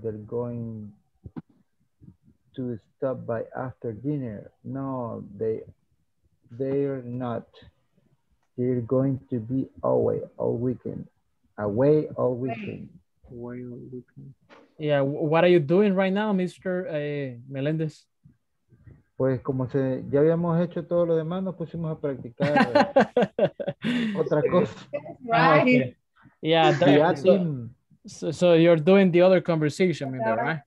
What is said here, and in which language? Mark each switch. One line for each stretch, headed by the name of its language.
English: They're going to stop by after dinner. No, they're not. They're going to be away all weekend. Away all weekend. Away all weekend. Yeah, what are you doing right now, Mr. Melendez?
Spanish: Pues como se ya habíamos hecho todo lo demás, nos pusimos a practicar otra cosa.
English: Right. Okay. Yeah, so you're doing the other conversation, in there, right?